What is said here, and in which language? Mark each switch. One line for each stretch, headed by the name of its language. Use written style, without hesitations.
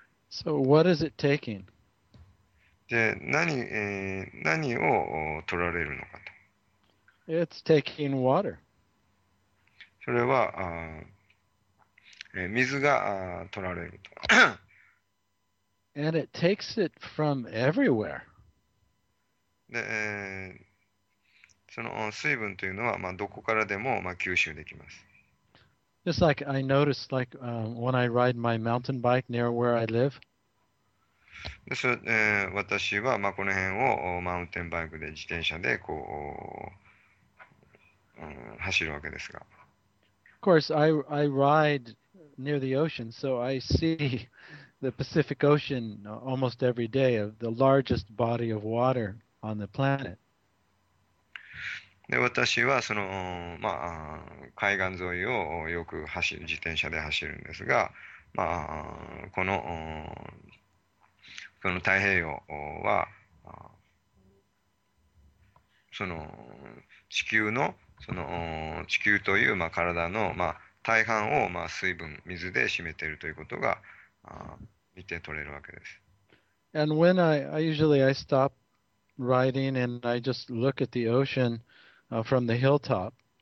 English: So what is it taking?
Japanese: で、何を取られるのかと。
English: It's taking water.
Japanese: それは、水が取られると。
English: And it takes it from everywhere.
Japanese: で、その水分というのは、まあ、どこからでも、まあ、吸収できます。
English: Just like I noticed, like, when I ride my mountain bike near where I live.
Japanese: で、私は、まあ、この辺をマウンテンバイクで自転車でこう、走るわけですが。
English: Of course, I ride near the ocean, so I see the Pacific Ocean almost every day of the largest body of water on the planet.
Japanese: で、私はその、まあ、海岸沿いをよく走る、自転車で走るんですが、まあ、この太平洋は、その地球の、その地球という、まあ、体の、まあ、大半を、まあ、水分、水で占めているということが見て取れるわけです。
English: And when I usually I stop riding and I just look at the ocean from the hilltop.